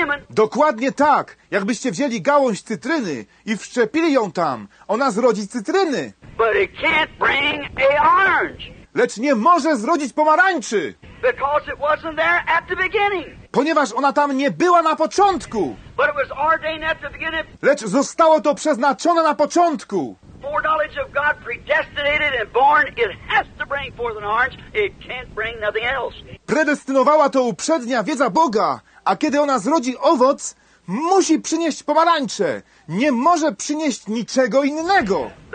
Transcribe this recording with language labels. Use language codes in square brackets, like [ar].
[pl] Dokładnie tak, jakbyście wzięli gałąź cytryny i wszczepili ją tam, ona zrodzi cytryny. [en] But it can't bring a orange. [pl] Lecz nie może zrodzić pomarańczy. [en] Because it wasn't there at the beginning. [pl] Ponieważ ona tam nie była na początku. [en] But it was ordained at the beginning. [pl] Lecz zostało to przeznaczone na początku. [en] Foreknowledge of God predestinated and born, it has to bring forth an orange. It can't bring nothing else. [pl] Predestynowała to uprzednia wiedza Boga, a kiedy ona zrodzi owoc, musi przynieść pomarańcze. Nie może przynieść niczego innego.